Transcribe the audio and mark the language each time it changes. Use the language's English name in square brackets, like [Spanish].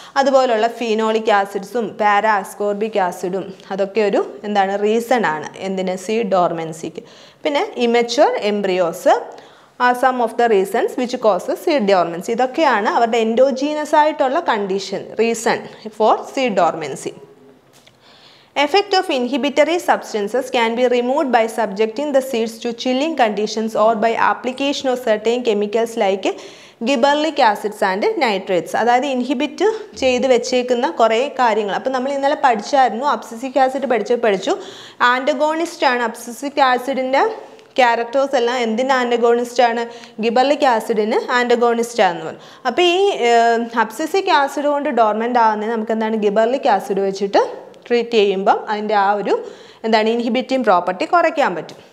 [Malayalam] അതുപോലുള്ള phenolic ആസിഡ്സും para ascorbic ആസിഡും അതൊക്കെ ഒരു എന്താണ് റീസൺ ആണ് എന്തിന് സീഡ് ഡോർമൻസിക്ക്. [English] പിന്നെ immature embryos are some of the reasons which causes seed dormancy. [Malayalam] ഇതൊക്കെയാണ് അവരുടെ എൻഡോജീനസ് ആയിട്ടുള്ള condition reason for seed dormancy. [English] Effect of inhibitory substances can be removed by subjecting the seeds to chilling conditions or by application of certain chemicals like gibberellic acids and nitrates. [Malayalam] അതായത് inhibit ചെയ്ത് വെച്ചേക്കുന്ന കുറേ കാര്യങ്ങൾ. അപ്പോൾ നമ്മൾ ഇന്നലെ പഠിച്ചായിരുന്നു abscisic acid പഠിച്ചു ആൻറ്റഗോണിസ്റ്റാണ് abscisic ആസിഡിൻ്റെ ക്യാരക്ടേഴ്സ് എല്ലാം. എന്തിന് ആൻറ്റഗോണിസ്റ്റാണ്? ഗിബർലിക് ആസിഡിന് ആൻറ്റഗോണിസ്റ്റാന്ന് പറഞ്ഞു. അപ്പോൾ ഈ അബ്സിസിക് ആസിഡ് കൊണ്ട് ഡോർമെൻ്റ് ആകുന്നത് നമുക്ക് എന്താണ് ഗിബർലിക് ആസിഡ് വെച്ചിട്ട് ട്രീറ്റ് ചെയ്യുമ്പം അതിൻ്റെ ആ ഒരു എന്താണ് ഇൻഹിബിറ്റിംഗ് പ്രോപ്പർട്ടി കുറയ്ക്കാൻ പറ്റും.